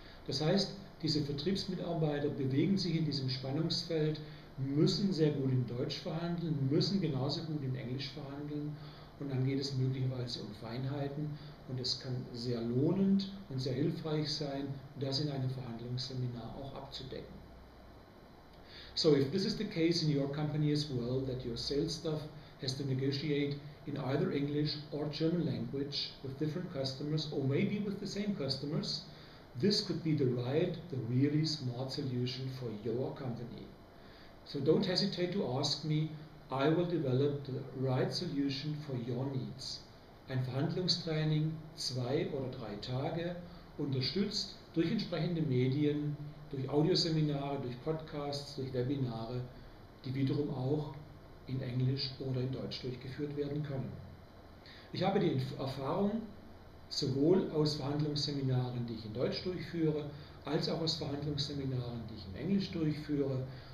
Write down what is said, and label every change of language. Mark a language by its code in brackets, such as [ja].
[de] Das heißt, diese Vertriebsmitarbeiter bewegen sich in diesem Spannungsfeld, müssen sehr gut in Deutsch verhandeln, müssen genauso gut in Englisch verhandeln. Und dann geht es möglicherweise um Feinheiten und es kann sehr lohnend und sehr hilfreich sein, das in einem Verhandlungsseminar auch abzudecken. [en] So, if this is the case in your company as well, that your sales staff has to negotiate in either English or German language with different customers or maybe with the same customers, this could be the really smart solution for your company. So don't hesitate to ask me. I will develop the right solution for your needs. [de] Ein Verhandlungstraining, 2 oder 3 Tage, unterstützt durch entsprechende Medien, durch Audioseminare, durch Podcasts, durch Webinare, die wiederum auch in Englisch oder in Deutsch durchgeführt werden können. Ich habe die Erfahrung sowohl aus Verhandlungsseminaren, die ich in Deutsch durchführe, als auch aus Verhandlungsseminaren, die ich in Englisch durchführe.